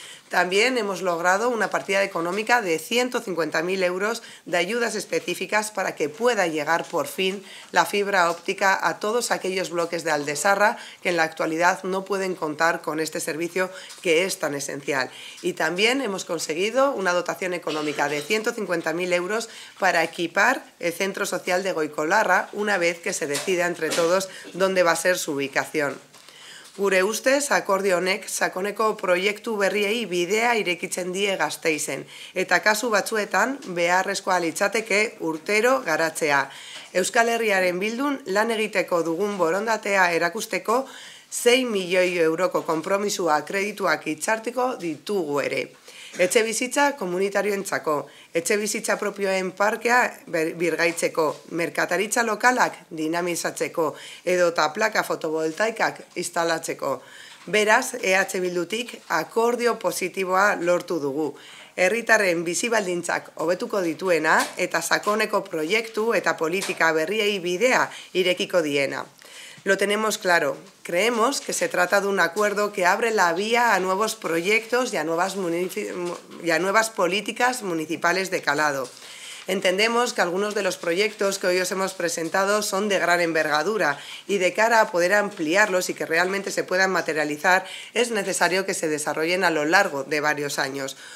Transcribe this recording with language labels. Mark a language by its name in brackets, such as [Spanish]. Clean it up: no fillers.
[Spanish] También hemos logrado una partida económica de 150.000 euros de ayudas específicas para que pueda llegar por fin la fibra óptica a todos aquellos bloques de Aldesarra que en la actualidad no pueden contar con este servicio que es tan esencial. Y también hemos conseguido una dotación económica de 150.000 euros para equipar el centro social de Goikolarra una vez que se decida entre todos dónde va a ser su ubicación. [Basque] Gure ustez, akordio honek, sakoneko proiektu berriei bidea irekitzen die Gasteizen, eta kasu batzuetan beharrezkoa litzateke urtero garatzea. Euskal Herriaren Bildun lan egiteko dugun borondatea erakusteko 6 milioi euroko konpromisua kredituak itzartiko ditugu ere. Etxe bizitza komunitarioentzako, etxe bizitza propioen parkea birgaitzeko, merkataritza lokalak dinamizatzeko edota plaka fotovoltaikak instalatzeko. Beraz, EH Bildutik akordio positiboa lortu dugu. Herritarren bizibaldintzak hobetuko dituena eta sakoneko proiektu eta politika berriei bidea irekiko diena. [Spanish] Lo tenemos claro. Creemos que se trata de un acuerdo que abre la vía a nuevos proyectos y a nuevas políticas municipales de calado. Entendemos que algunos de los proyectos que hoy os hemos presentado son de gran envergadura y de cara a poder ampliarlos y que realmente se puedan materializar, es necesario que se desarrollen a lo largo de varios años.